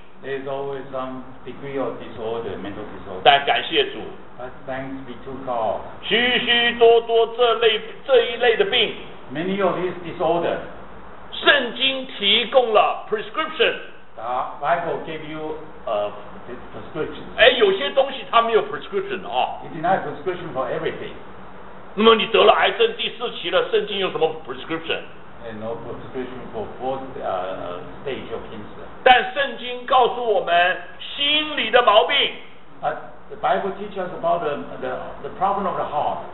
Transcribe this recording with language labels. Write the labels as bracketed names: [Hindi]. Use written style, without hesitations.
[English] There's always some degree of disorder, mental disorder. [Chinese] 但感谢主 [English] But thanks be to God. [Chinese] 许许多多这一类的病 [English] Many of these disorders. [Chinese] 圣经提供了 prescription [English] Bible gave you prescription [Chinese] 哎，有些东西它没有 prescription 啊 [English] It denies prescription for everything [Chinese] 那么你得了癌症第四期了圣经有什么 prescription [English] And no prescription for fourth stage of cancer [Chinese] 但圣经告诉我们心理的毛病 [English] But the Bible teaches about the problem of the heart